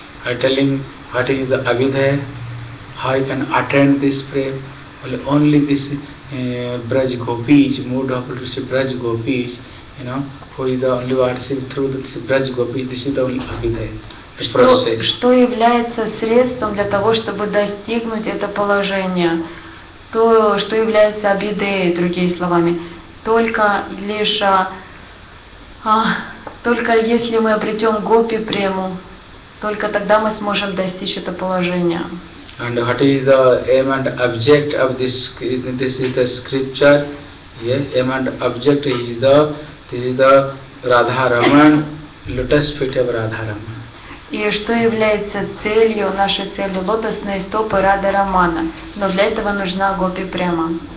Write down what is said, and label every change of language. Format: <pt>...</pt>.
<en>I tell him what is the Abhidhaya, how you can attain this prema. Well, only this Braj Gopis, mood of this Braj Gopis, you know, who is the only worship through this Braj Gopis, this is the only Abhidhaya.</en> <ru>Что является средством для того, чтобы достигнуть это положение? То, что является Абидеей, другими словами, только если мы обретем Гопи прему, только тогда мы сможем достичь этого положения.</ru> <en>And what is the aim and object of this is the scripture? Yeah, aim and object is the Radha Raman, lotus feet of Radha Raman.</en> <ru>И что является целью, нашей целью, лотосные стопы Рады Рамана. Но для этого нужна Гопи Према.</ru>